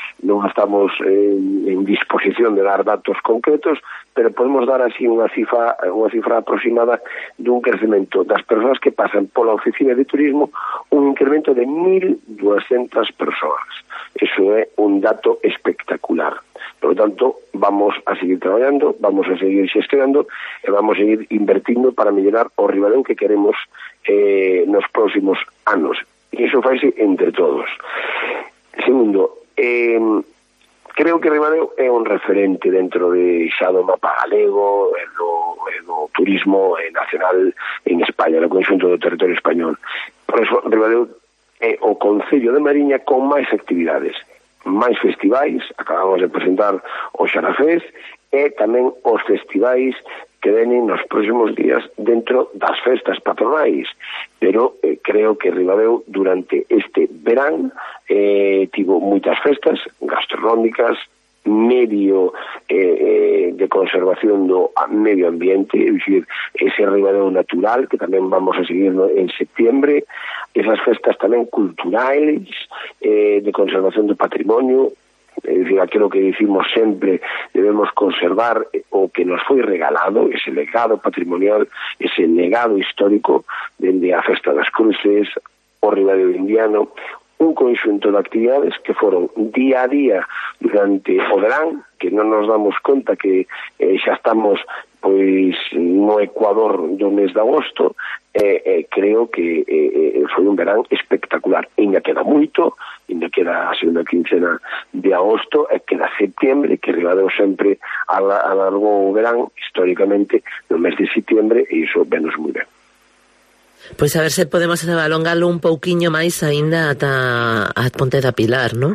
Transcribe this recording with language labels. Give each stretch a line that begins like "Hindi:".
Galician: Non estamos en disposición de dar datos concretos, pero podemos dar así unha cifra aproximada dun crecemento das persoas que pasan pola oficina de turismo, un incremento de 1.200 persoas. Eso é un dato espectacular.
Spanish: Por lo tanto, vamos a seguir trabajando, vamos a seguir gestionando y vamos a seguir invirtiendo para mejorar o Ribadeo que queremos en los próximos años. Y eso faise entre todos. Segundo, creo que Ribadeo es un referente dentro de
Galician: xa do mapa galego, do turismo nacional
Spanish: en España, en el conjunto del territorio español.
Galician: Por eso, Ribadeo es o concello de Mariña con más actividades. Máis festivais, acabamos de presentar o Xerafés, e tamén os festivais que venen nos próximos días dentro das festas patronais. Pero creo que Ribadeo durante este verán tivo moitas festas gastronómicas, medio de conservación do medio ambiente, é dicir, ese Ribadeo natural que tamén vamos a seguir en septiembre, esas festas tamén culturais de conservación do patrimonio, é dicir, aquilo que dicimos sempre, debemos conservar o que nos foi regalado, ese legado patrimonial, ese legado histórico dende a Festa das Cruces, o Ribadeo Indiano, un conxunto de actividades que foron día a día durante o verán, que non nos damos conta que xa estamos pois no Ecuador do mes de agosto, creo que foi un verán espectacular. Ainda queda moito, ainda queda a segunda quincena de agosto, queda septiembre, que Ribadeo sempre alargou o verán históricamente no mes de septiembre, e iso venos moi ben. Pois a ver se podemos alongarlo un pouquiño máis aínda ata a Ponte da Pilar, ¿no?